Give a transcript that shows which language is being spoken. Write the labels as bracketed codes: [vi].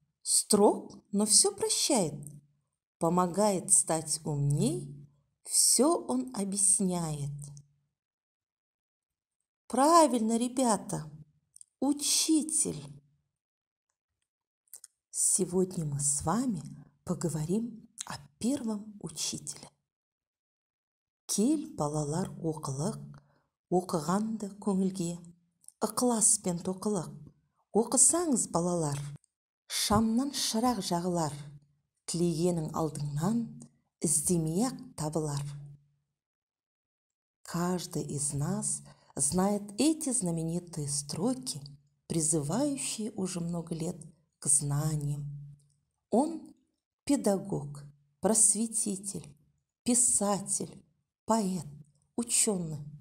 [ru] Строг, но все прощает. Помогает стать умней, все он объясняет. Правильно, ребята, учитель. Сегодня мы с вами поговорим о первом учителе. [kk] Кель балалар оқылық, оқығанды көңілге, ықласпен тоқылық, оқысаңыз балалар, шамнан шырақ жағылар, тілегенің алдыңнан іздемей-ақ табылар. [ru] Каждый из нас знает эти знаменитые строки, призывающие уже много лет к знаниям. Он – педагог, просветитель, писатель, поэт, ученый.